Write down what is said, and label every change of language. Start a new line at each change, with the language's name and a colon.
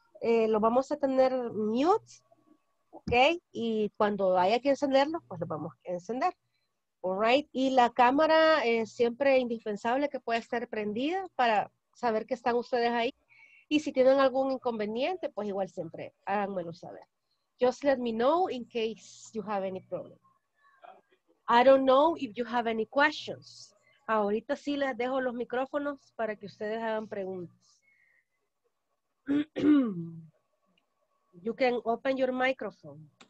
Spanish: Lo vamos a tener mute, ¿ok? Y cuando haya que encenderlo, pues lo vamos a encender.
English: All right.
Spanish: Y la cámara es siempre indispensable que pueda estar prendida para saber que están ustedes ahí. Y si tienen algún inconveniente, pues igual siempre háganmelo saber.
English: Just let me know in case you have any problem. I don't know if you have any questions.
Spanish: Ahorita sí les dejo los micrófonos para que ustedes hagan preguntas.
English: You can open your microphone.